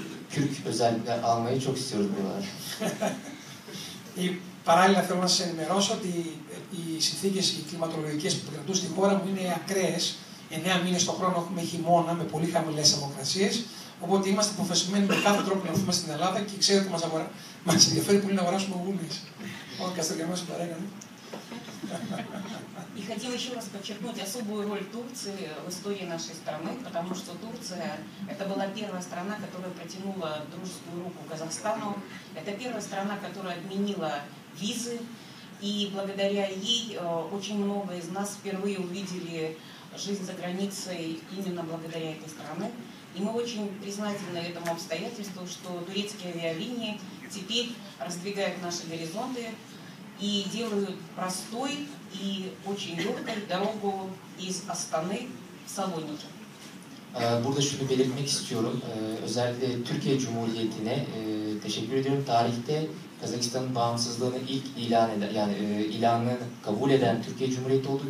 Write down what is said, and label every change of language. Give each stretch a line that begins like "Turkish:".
Turkish: Kürk özellikle almayı çok istiyoruz buralar.
Greek: Παράλληλα θέλω να σας ενημερώσω ότι οι συνθήκες κλιματολογικές που κρατούν στη χώρα μου είναι ακραίες. 9 μήνες το χρόνο έχουμε χειμώνα με πολύ χαμηλές θερμοκρασίες. Οπότε είμαστε αποφασισμένοι με κάθε τρόπο να έρθουμε στην Ελλάδα και ξέρετε ότι μας ενδιαφέρει πολύ να αγοράσουμε γούνες. Όχι, Καστοριανό, σου παρέκανε.
Russian: И хотел еще раз подчеркнуть особую роль Турции в истории нашей страны, потому что Турция – это была первая страна, которая протянула дружескую руку Казахстану. Это первая страна, которая отменила визы. И благодаря ей очень много из нас впервые увидели жизнь за границей именно благодаря этой стране. И мы очень признательны этому обстоятельству, что турецкие авиалинии теперь раздвигают наши горизонты и делают простой и очень легкой дорогу из Астаны в Салоники.
Turkish: Burada şunu belirtmek istiyorum. Özellikle Türkiye Cumhuriyeti'ne teşekkür ediyorum. Tarihte Kazakistan'ın bağımsızlığını ilk ilan eden, yani ilanını kabul eden Türkiye Cumhuriyeti oldu.